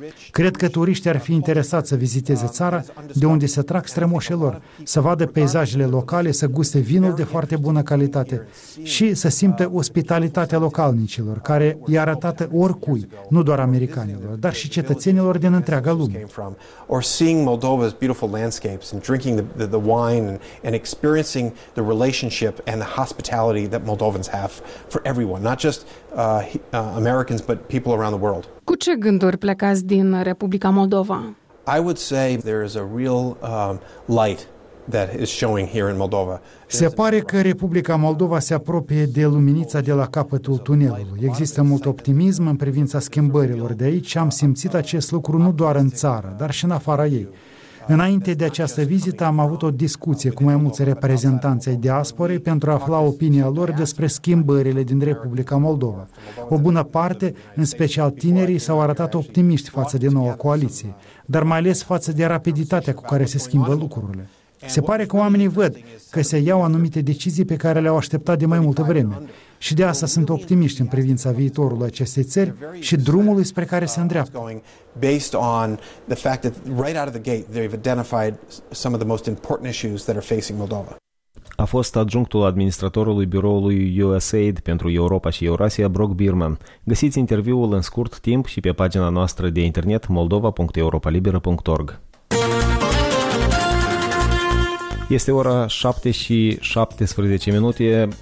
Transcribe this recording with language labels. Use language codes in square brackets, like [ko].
[ro] Cred că turiștii ar fi interesați să viziteze țara de unde se trag strămoșii lor, să vadă peisajele locale, să guste vinul de foarte bună calitate și să simtă ospitalitatea localnicilor, care e arătată oricui, nu doar americanilor, dar și cetățenilor din întreaga lume. [en] Or seeing Moldova's beautiful landscapes and drinking the wine and experiencing the relationship and the hospitality that Moldovans have for everyone, not just Americans but people around the world. [ro] Cu ce gânduri plecați din Republica Moldova? [en] I would say there is a real light that is showing here in Moldova. [ro] Se pare că Republica Moldova se apropie de luminița de la capătul tunelului. Există mult optimism în privința schimbărilor de aici și am simțit acest lucru nu doar în țară, dar și în afara ei. Înainte de această vizită, am avut o discuție cu mai mulți reprezentanți ai diasporei pentru a afla opinia lor despre schimbările din Republica Moldova. O bună parte, în special tinerii, s-au arătat optimiști față de noua coaliție, dar mai ales față de rapiditatea cu care se schimbă lucrurile. Se pare că oamenii văd că se iau anumite decizii pe care le-au așteptat de mai multă vreme și de asta sunt optimiști în privința viitorului acestei țări și drumului spre care se îndreaptă. [en] Based on the fact that right out of the gate they've identified some of the most important issues that are facing Moldova. [ro] A fost adjunctul administratorului biroului USAID pentru Europa și Eurasia, Brock Bierman. Găsiți interviul în scurt timp și pe pagina noastră de internet moldova.europalibera.org. Este ora 7 și 17 minute.